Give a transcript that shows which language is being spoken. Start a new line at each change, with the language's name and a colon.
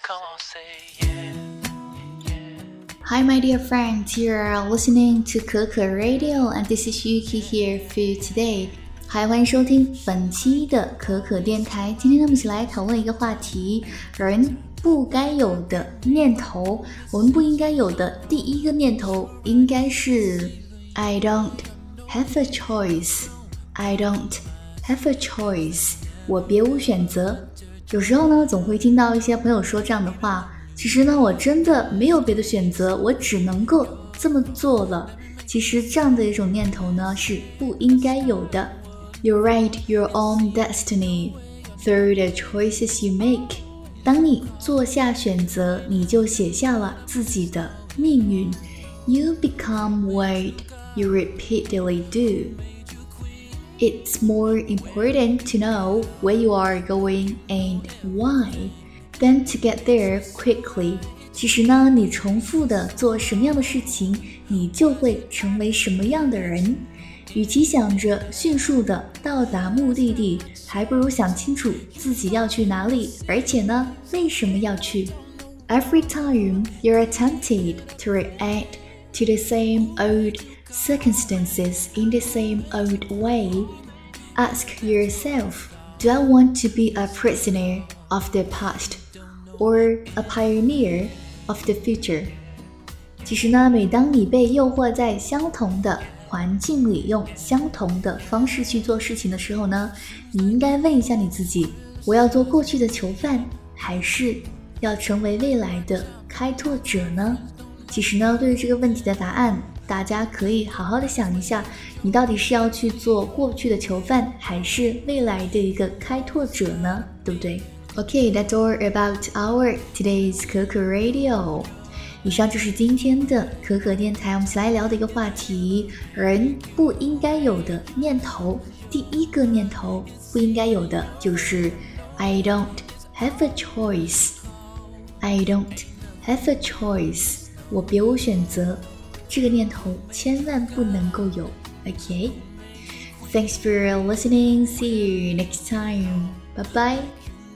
English: Hi, my dear friends, you are listening to Keke Radio, and this is Yuki here for you today.
Chinese: Hi, 欢迎收听本期的可可电台。今天我们一起来讨论一个话题，人不该有的念头。我们不应该有的第一个念头应该是 I don't have a choice.
English: I don't have a choice. 我别无选择。
Chinese: 有时候呢，总会听到一些朋友说这样的话，其实呢，我真的没有别的选择，我只能够这么做了。其实这样的一种念头呢，是不应该有的。
English: You write your own destiny through the choices you make. 当你做下选择，你就写下了自己的命运。 You become what you repeatedly do. It's more important to know where you are going and why. Then to get there quickly.
Chinese: 其实呢，你重复的做什么样的事情，你就会成为什么样的人。与其想着迅速的到达目的地，还不如想清楚自己要去哪里，而且呢，为什么要去。 Every time you're tempted to react to the same old circumstances in the same old way, ask yourself, do I want to be a prisoner of the past? Or a pioneer of the future. 其实呢，每当你被诱惑在相同的环境里用相同的方式去做事情的时候呢，你应该问一下你自己，我要做过去的囚犯，还是要成为未来的开拓者呢？其实呢，对于这个问题的答案，大家可以好好的想一下，你到底是要去做过去的囚犯，还是未来的一个开拓者呢？对不对？
English: Okay, that's all about our today's Keke Radio.
Chinese: 以上就是今天的可可电台，我们一起来聊的一个话题，人不应该有的念头。第一个念头不应该有的就是 I don't have a choice. I don't have a choice.
English: 我别无选择。
Chinese: 这个念头千万不能够有。
English: Okay? Thanks for listening. See you next time. Bye bye.